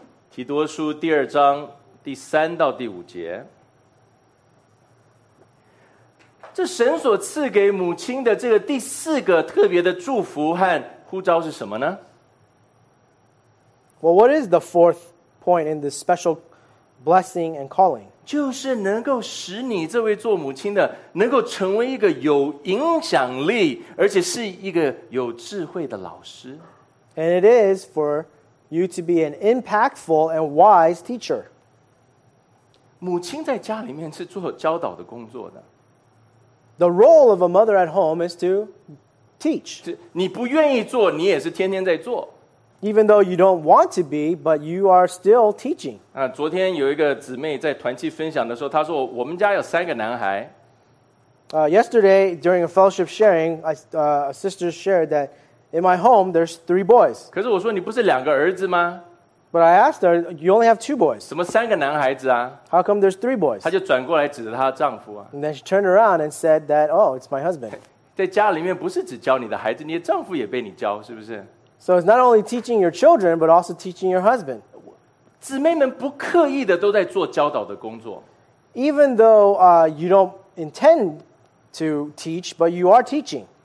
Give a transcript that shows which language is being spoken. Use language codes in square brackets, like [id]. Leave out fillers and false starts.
[zh] 提多书第二章第三到第五节。这神所赐给母亲的这个第四个特别的祝福和呼召是什么呢？ [en] Well, what is the fourth point in this special blessing and calling? [zh] 就是能够使你这位做母亲的能够成为一个有影响力而且是一个有智慧的老师。 [en] And it is for you to be an impactful and wise teacher. [zh] 母亲在家里面是做教导的工作的。 [en] The role of a mother at home is to teach. [zh] 你不愿意做，你也是天天在做。 [en] Even though you don't want to be, but you are still teaching. [zh] 昨天有一个姊妹在团契分享的时候，她说我们家有三个男孩。 [en] Yesterday, during a fellowship sharing, a sister shared that in my home, there's three boys. [zh] 可是我说, 你不是两个儿子吗? [en] But I asked her, you only have two boys. [zh] 怎么三个男孩子啊? [en] How come there's three boys? [zh] 她就转过来指着她丈夫啊。 [en] And then she turned around and said that, oh, it's my husband. [zh] 在家里面不是只教你的孩子, 你的丈夫也被你教, [en] so it's not only teaching your children, but also teaching your husband. [zh] 姊妹们不刻意的都在做教导的工作。 [en] Even though you don't intend to teach, but you are teaching.